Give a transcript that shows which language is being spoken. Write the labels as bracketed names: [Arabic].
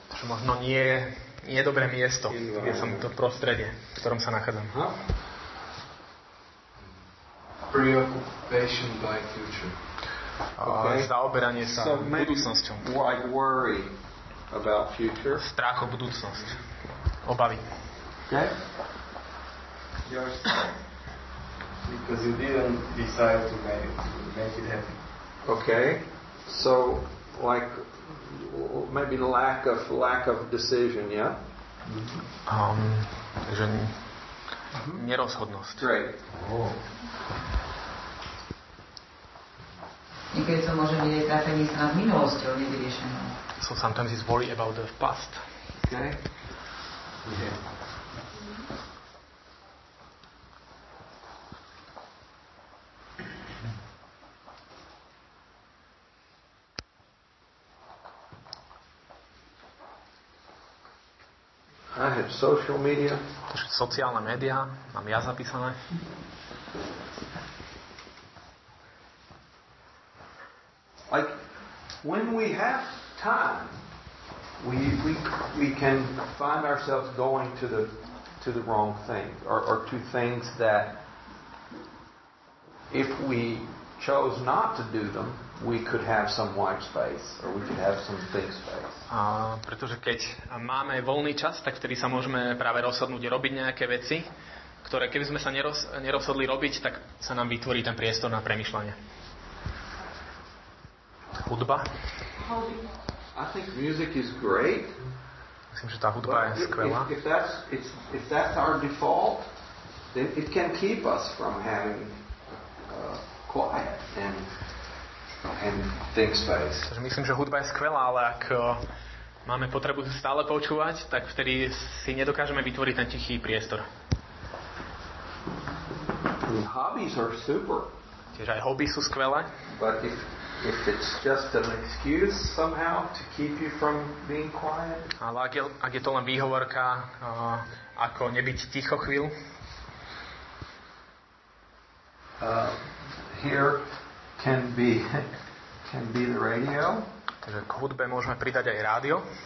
[Slovak] Takže možno nie je dobré miesto, kde som, to prostredie, v ktorom sa nachádzam. [English] Preoccupation by future. [Slovak] Okay. Zaoberanie sa budúcnosťou. [English] Like worry about future. [Slovak] Strach o budúcnosť. Obavy. [English] Okay. Because you didn't decide to make it happen. Okay. So like maybe lack of decision, yeah. [Slovak] Takže nerozhodnosť. [English] Great. [Slovak] Niekedy sa môže byť trápenie sa nad minulosťou, nevyriešenou. [English] So sometimes it's worry about the past. Okay. I have social media. [Slovak] Takže sociálne médiá, mám ja zapísané. [English] Like when we have time, we can find ourselves going to the wrong thing or to things that if we chose not to do them, we could have some white space or we could have some think space. [Slovak] Pretože keď máme voľný čas, tak vtedy sa môžeme práve rozhodnúť robiť nejaké veci, ktoré keby sme sa nerozhodli robiť, tak sa nám vytvorí ten priestor na premýšľanie. Hudba. [English] I think music is great. [Slovak] Myslím, že tá hudba je skvelá. [English] If that's our default, then it can keep us from having quiet and think space. [Slovak] Takže myslím, že hudba je skvelá, ale ak máme potrebu sa stále počúvať, tak vtedy si nedokážeme vytvoriť ten tichý priestor. [English] Hobbies are super. [Slovak] Tiež aj hobby sú skvelé. [English] But if it's just an excuse somehow to keep you from being quiet. [Slovak] Ale ak je to len výhovorka, ako nebyť ticho chvíľu. [English] Here can be the radio. [Slovak] Takže k hudbe môžeme pridať aj rádio.